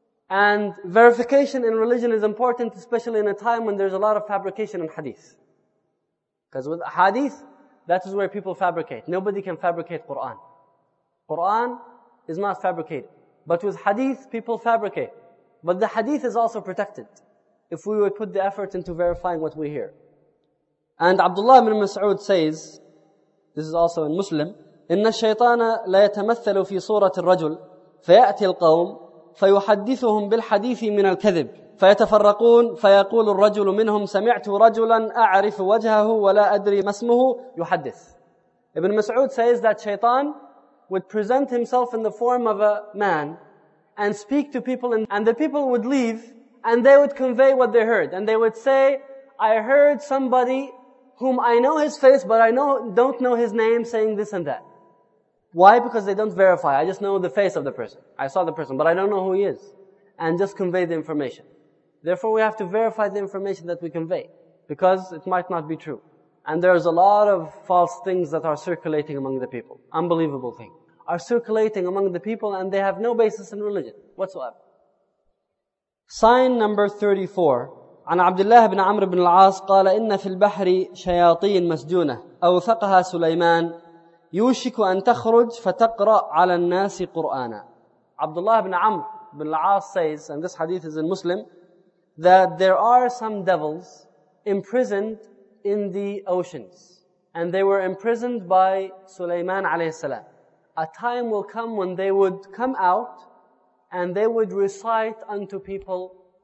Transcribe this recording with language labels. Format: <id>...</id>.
<en>And verification in religion is important, especially in a time when there's a lot of fabrication in hadith. Because with hadith, that is where people fabricate. Nobody can fabricate Qur'an. Qur'an is not fabricated. But with hadith, people fabricate. But the hadith is also protected if we would put the effort into verifying what we hear. And Abdullah ibn Mas'ud says, this is also in Muslim,</en> <ar>إِنَّ الشَّيْطَانَ لَيَتَمَثَّلُ فِي صُورَةِ الرَّجُلِ فَيَأْتِي الْقَوْمِ فَيُحَدِّثُهُمْ بِالْحَدِيثِ مِنَ الْكَذِبِ فَيَتَفَرَّقُونَ فَيَقُولُ الرَّجُلُ مِنْهُمْ سَمِعْتُ رَجُلًا أَعْرِفُ وَجْهَهُ وَلَا أَدْرِي مَا اسْمُهُ يُحَدِّثُ.</ar> <en>Ibn Mas'ud says that Shaytan would present himself in the form of a man and speak to people, and the people would leave and they would convey what they heard. And they would say, I heard somebody whom I know his face but I don't know his name saying this and that. Why? Because they don't verify. I just know the face of the person. I saw the person, but I don't know who he is. And just convey the information. Therefore, we have to verify the information that we convey. Because it might not be true. And there's a lot of false things that are circulating among the people. Unbelievable things. Are circulating among the people and they have no basis in religion whatsoever. Sign number 34.</en> <ar>عن عبد الله بن عمرو بن العاص قال إن في البحر شياطين مسجونة أوثقها سليمان يوشك أن تخرج فتقرأ على الناس قرآنا.</ar> <en>Abdullah ibn Amr ibn al-As says, and this hadith is in Muslim, that there are some devils imprisoned in the oceans. And they were imprisoned by Sulaiman alayhi salam. A time will come when they would come out and they would recite unto people.</en>